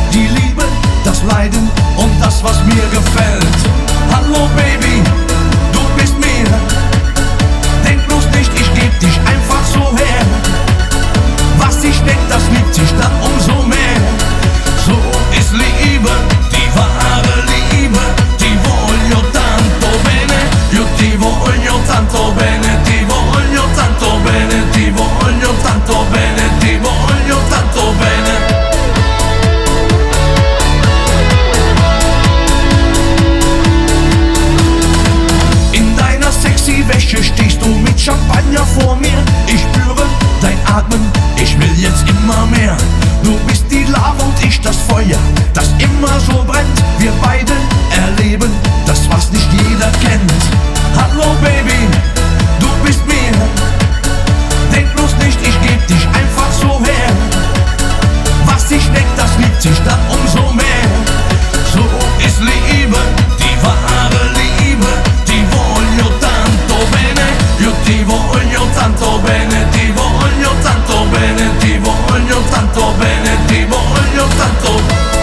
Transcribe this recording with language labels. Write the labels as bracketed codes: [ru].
[de] Die Liebe, das Leiden und das, was mir gefällt. Hallo Baby, du bist mir. Denk bloß nicht, ich geb dich einfach so her. Was ich denk, das liebt sich dann umso mehr. So ist Liebe, die wahre Liebe. [it] Ti voglio tanto bene, io ti voglio tanto bene. Ti voglio tanto bene, ti voglio tanto bene. Ti voglio tanto bene. [de] In deiner sexy Wäsche stehst du mit Champagner vor mir. Ich spüre dein Atmen, ich will jetzt immer mehr. Du bist die Lava und ich das Feuer, das immer so brennt. Wir beide erleben das, was nicht jeder kennt. Hallo Baby, du bist mir. Denk bloß nicht, ich geb dich einfach so her. Was ich denk, das liebt sich dann umso mehr. So ist Liebe, die wahre Liebe. [it] Ti voglio tanto bene, io ti voglio tanto bene. Ti voglio tanto bene, ti voglio tanto bene. Ti voglio tanto.